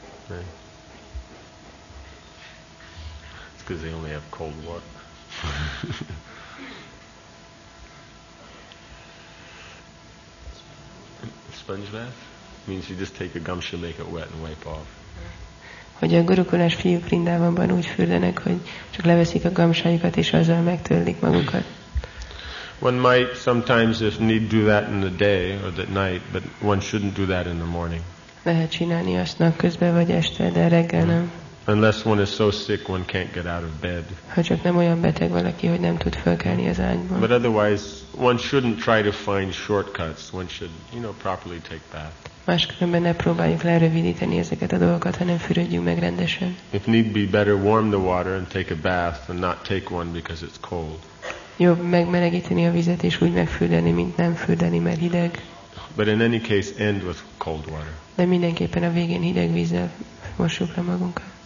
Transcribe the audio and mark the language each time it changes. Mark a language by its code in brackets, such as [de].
[en] Okay. It's because they only have cold water. Sponge bath? Means you just take a gumshoe, make it wet and wipe off. [hu] Hogy a gurukulás fiúk Vrindavanban úgy fürdenek, hogy csak leveszik a gamsájukat és azzal megtöllik magukat. [en] One might sometimes if need do that in the day or at night, but one shouldn't do that in the morning. [hu] Lehet csinálni azt napközben vagy este, de reggel nem. [en] Unless one is so sick one can't get out of bed. [hu] Ha csak nem olyan beteg valaki, hogy nem tud fölkelni az ágyból. [en] But otherwise one shouldn't try to find shortcuts. One should, you know, properly take bath. [hu] Máskülönben ne próbáljuk lerövidíteni ezeket a dolgokat, hanem fürödjünk meg rendesen. [en] If need be, better warm the water and take a bath and not take one because it's cold. [hu] Jobb megmelegíteni a vizet és úgy megfürdeni, mint nem fürdeni, mert hideg. [en] But in any case end with cold water. [hu] De mindenképpen a végén hideg vízzel mossuk le magunkat.